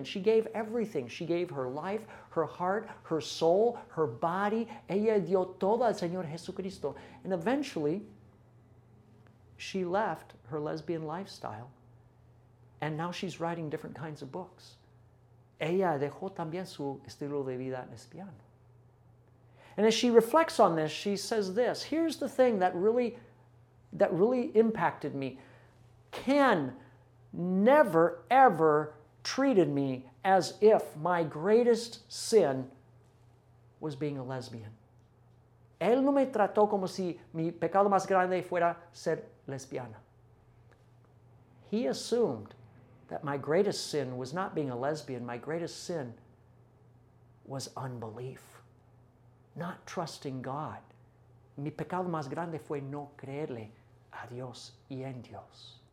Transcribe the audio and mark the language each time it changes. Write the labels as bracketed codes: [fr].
[en] And she gave everything. She gave her life, her heart, her soul, her body. [es] Ella dio todo al Señor Jesucristo. [en] And eventually, she left her lesbian lifestyle, and now she's writing different kinds of books. [es] Ella dejó también su estilo de vida lesbiano. [en] And as she reflects on this, she says this: here's the thing that really impacted me. Ken never, ever treated me as if my greatest sin was being a lesbian. [es] Él no me trató como si mi pecado más grande fuera ser lesbiana. [en] He assumed that my greatest sin was not being a lesbian. My greatest sin was unbelief, not trusting God. [es] Mi pecado más grande fue no creerle a Dios y en Dios.